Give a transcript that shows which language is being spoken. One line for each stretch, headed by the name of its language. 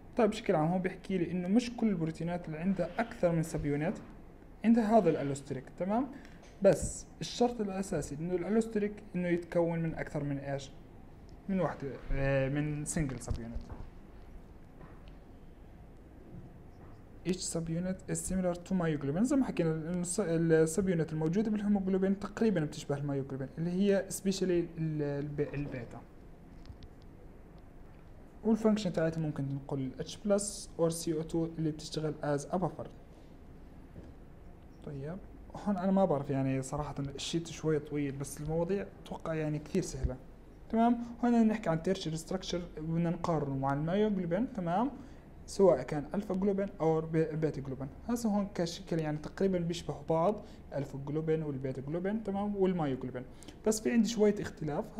Arabic: طيب بشكل عام هو بيحكي لي انه مش كل البروتينات اللي عندها اكثر من سب يونت عندها هذا الالوستريك، تمام؟ بس الشرط الاساسي انه الالوستريك انه يتكون من اكثر من ايش؟ من واحدة، من سنجل سب يونت.
English: Each sub unit is similar to myoglobin.
Arabic: زي ما حكينا إنه السب يونت الموجودة بالهيموجلوبين تقريبا بتشبه الميوجلوبين اللي هي especially البيتا. والفانكشن تاعتها ممكن نقول H plus or CO2 اللي بتشتغل
English: as a buffer.
Arabic: طيب هون أنا ما بعرف يعني صراحة الشيت شوية طويل بس المواضيع توقع يعني كثير سهلة، تمام؟ هون نحكي عن tertiary structure بدنا نقارنه مع الميوجلوبين، تمام؟ سواء كان الفا جلوبين او بيتا جلوبين. هسه هون كشكل يعني تقريبا بيشبهوا بعض الفا جلوبين والبيتا جلوبين، تمام، والمايو جلوبين، بس في عندي شويه اختلاف.